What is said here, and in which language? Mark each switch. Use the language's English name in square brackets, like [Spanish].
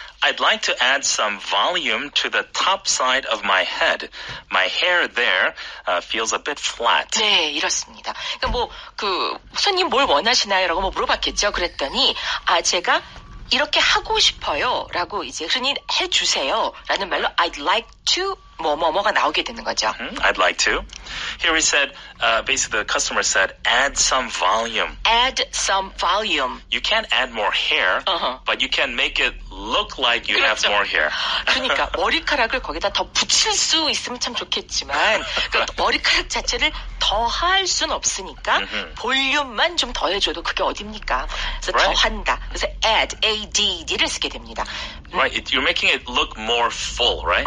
[English] I'd like to add some volume to the top side of my head. My hair there feels a bit flat. [Korean] 네, 이렇습니다. 그러니까 뭐 그 손님 뭘 원하시나요? 라고 뭐 물어봤겠죠. 그랬더니 아 제가 이렇게 하고 싶어요. 라고 이제 흔히 해주세요. 라는 말로 [English] I'd like to [Korean] 뭐뭐뭐가 나오게 되는 거죠. [English] I'd like to. Here we said, basically the customer said, add some volume. Add some volume. You can't add more hair, uh-huh. but you can make it look like you [Korean] 그렇죠. [English] have more hair. [Korean] 그러니까 머리카락을 거기다 더 붙일 수 있으면 참 좋겠지만 그러니까 머리카락 자체를 더할 순 없으니까 볼륨만 좀 더해줘도 그게 어딥니까? 그래서 [English] right. [Korean] 더한다. 그래서 add, ADD를 쓰게 됩니다. [English] Right, you're making it look more full, right?